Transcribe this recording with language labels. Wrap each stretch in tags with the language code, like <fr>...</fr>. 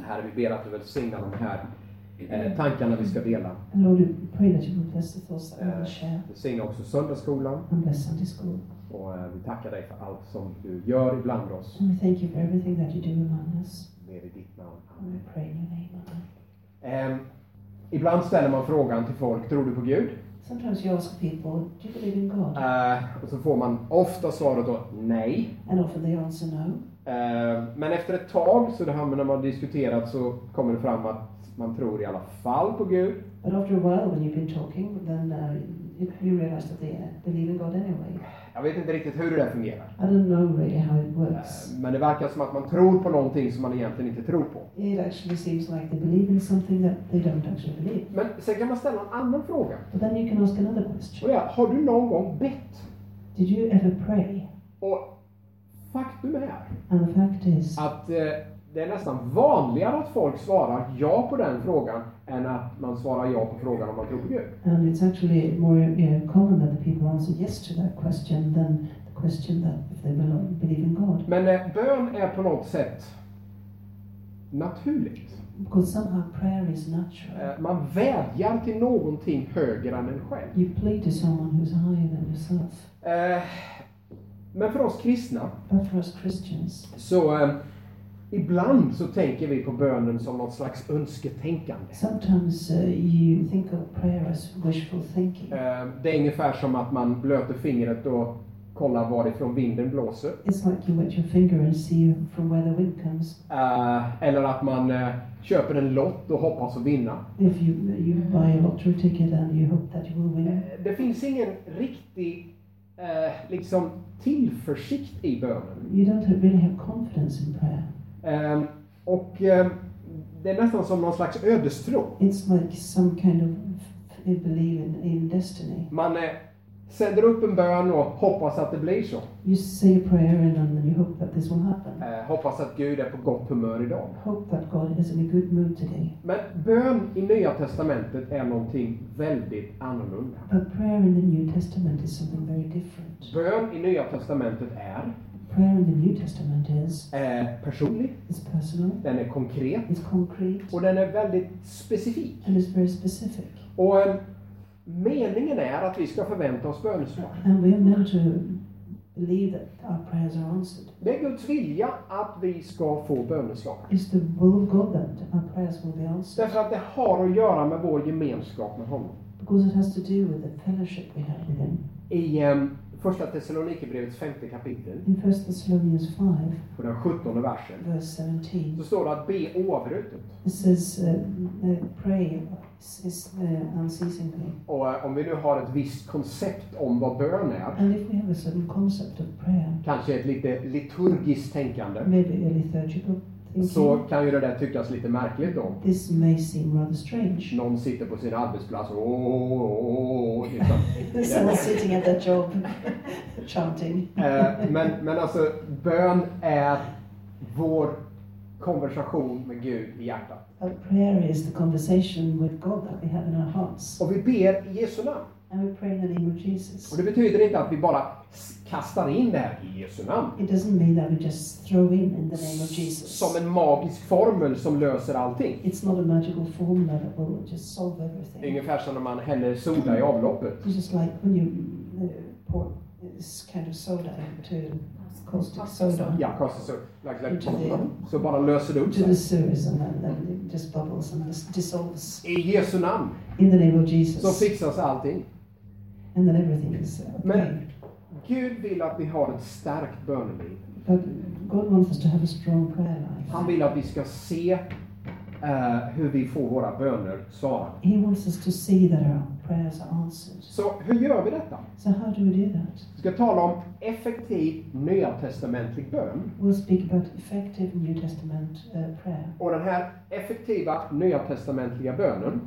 <sv>Herre, vi ber att du vill välsigna de här tankarna vi ska dela.</sv> <en>And Lord, we pray that you will bless the thoughts that we will share.</en> <sv>Vi välsignar också söndagsskolan.</sv> <en>And bless Sunday school.</en> <sv>Och vi tackar dig för allt som du gör ibland oss.</sv> <en>And we thank you for everything that you do among us.</en> <sv>Med i ditt namn.</sv> <en>And we pray in your name, Amen.</en> <sv>Ibland ställer man frågan till folk, tror du på Gud?</sv> <en>Sometimes you ask people, do you believe in God?</en> <sv>Och så får man ofta svaret då, nej.</sv> <en>And often they answer no.</en> <sv>Men efter ett tag, så det här när man har diskuterat, så kommer det fram att man tror i alla fall på Gud.</sv> <en>But after a while, when you've been talking, then you realize that they believe in God anyway.</en> <sv>Jag vet inte riktigt hur det där fungerar.</sv> <en>I don't know really how it works.</en> <sv>Men det verkar som att man tror på någonting som man egentligen inte tror på.</sv> <en>It actually seems like they believe in something that they don't actually believe.</en> <sv>Men sen kan man ställa en annan fråga.</sv> <en>But then you can ask another question.</en> <sv>Och ja, har du någon gång bett?</sv> <en>Did you ever pray?</en> <sv>Och faktum är,</sv> <en>and the fact is,</en> <sv>att det är nästan vanligare att folk svarar ja på den frågan än att man svarar ja på frågan om man tror på Gud.</sv> <en>And it's actually more common that the people answer yes to that question than the question that if they believe in God.</en> <sv>Men bön är på något sätt naturligt.</sv> <en>Because somehow prayer is natural.</en> <sv>Man vädjar till någonting högre än en själv.</sv> <en>You plead to someone who's higher than yourself.</en> <sv>Men för oss kristna,</sv> <en>but for us Christians,</en> <sv>så Ibland så tänker vi på bönen som något slags önsketänkande.</sv> <en>Sometimes you think of prayer as wishful thinking.</en> <sv>Det är ungefär som att man blöter fingret och kollar varifrån vinden blåser.</sv> <en>It's like you wet your finger and see from where the wind comes.</en> <sv>Eller att man köper en lott och hoppas att vinna.</sv> <en>If you buy a lottery ticket and you hope that you will win.</en> <sv>Det finns ingen riktig liksom tillförsikt i bönen.</sv> <en>You don't really have confidence in prayer.</en> <sv>Och det är nästan som någon slags ödestro.</sv> <en>It's like some kind of believe in destiny.</en> <sv>Man sänder upp en bön och hoppas att det blir så.</sv> <en>You say a prayer and then you hope that this will happen.</en> <sv>Hoppas att Gud är på gott humör idag.</sv> <en>Hope that God is in a good mood today.</en> <sv>Men bön i Nya Testamentet är någonting väldigt annorlunda.</sv> <en>But prayer in the New Testament is something very different.</en> <sv>Bön i Nya Testamentet är...</sv> <en>Prayer in the New Testament is</en> <sv>personlig.</sv> <en>It's personal.</en> <sv>Den är konkret.</sv> <en>It's concrete.</en> <sv>Och den är väldigt specifik.</sv> <en>And it's very specific.</en> <sv>Och meningen är att vi ska förvänta oss bönesvar.</sv> <en>And we are meant to believe that our prayers are answered.</en> <sv>Det är Guds vilja att vi ska få bönesvar.</sv> <en>It's the will of God that our prayers will be answered.</en> <sv>Därför att det har att göra med vår gemenskap med honom.</sv> <en>Because it has to do with the fellowship we have with him.</en> <sv>I Första Thessalonikerbrevets femte kapitel.</sv> <en>In First Thessalonians 5.</en> <sv>På den 17:e versen.</sv> <en>Verse 17.</en> <sv>Så står det att be oavbrutet.</sv> <en>It says pray is unceasingly.</en> <sv>Och om vi nu har ett visst koncept om vad bön är.</sv> <en>And if we have a certain concept of prayer.</en> <sv>Kanske ett lite liturgiskt tänkande.</sv> <en>Maybe a liturgical thinking.</en> <sv>Så kan ju det där tyckas lite märkligt då.</sv> <en>This may seem rather strange.</en> <sv>Någon sitter på sin arbetsplats och</sv> <en>someone sitting at that job chanting.</en> <sv>Men alltså bön är vår konversation med Gud i hjärtat.</sv> <en>But prayer is the conversation with God that we have in our hearts.</en> <sv>Och vi ber i Jesu namn.</sv> <en>And we pray in the name of Jesus.</en> <sv>Och det betyder inte att vi bara kastar in det här i Jesu namn.</sv> <en>It doesn't mean that we just throw in the name of Jesus.</en> <sv>Som en magisk formel som löser allting.</sv> <en>It's not a magical formula that will just solve everything.</en> <sv>Ungefär som när man häller soda i avloppet.</sv> <en>It's just like when you pour this kind of soda into caustic soda.</en> <sv>Ja, caustic soda. Så bara löser det upp</sv> <en>sig. To the sewers and then it just bubbles and just dissolves.</en> <sv>I Jesu namn.</sv> <en>In the name of Jesus.</en> <sv>Så fixas allting.</sv> <en>And then everything is okay.</en> <sv>Men Gud vill att vi har ett starkt böneliv.</sv> <en>But God wants us to have a strong prayer life.</en> <sv>Han vill att vi ska se hur vi får våra böner svarade.</sv> <en>He wants us to see that our prayers are answered.</en> <sv>Så hur gör vi detta?</sv> <en>So how do we do that?</en> <sv>Vi ska tala om effektiv nyatestamentlig bön.</sv> <en>We'll speak about effective New Testament prayer.</en> <sv>Och den här effektiva nyatestamentliga bönen.</sv>